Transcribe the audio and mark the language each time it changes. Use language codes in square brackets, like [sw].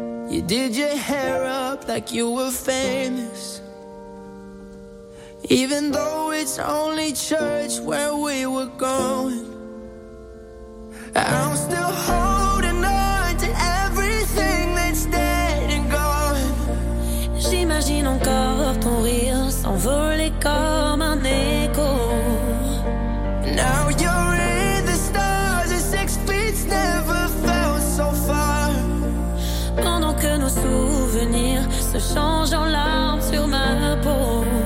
[en] You did your hair up like you were famous. Even though it's only church where we were going, I'm still holding on to everything that's dead and gone. [fr] J'imagine encore ton rire s'envoler comme un écho. [en] Now you're in the stars and 6 feet's never felt so far. [fr] Pendant que nos souvenirs se changent en larmes sur ma peau.